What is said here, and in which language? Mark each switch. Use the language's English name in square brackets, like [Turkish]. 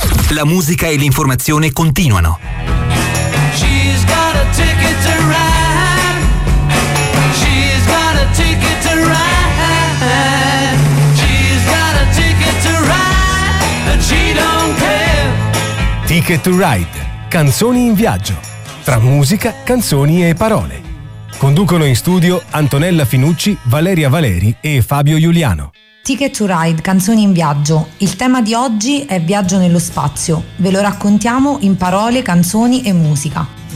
[Italian] La musica e l'informazione continuano. [English] She's got a ticket to ride. She's got a ticket to ride. She's got a ticket to ride. And she don't care. Ticket to Ride. [Italian] Canzoni in viaggio. Tra musica, canzoni e parole. Conducono in studio Antonella Finucci, Valeria Valeri e Fabio Iuliano. Ticket to Ride, canzoni in viaggio. Il tema di oggi è viaggio nello spazio. Ve lo raccontiamo in parole, canzoni e musica.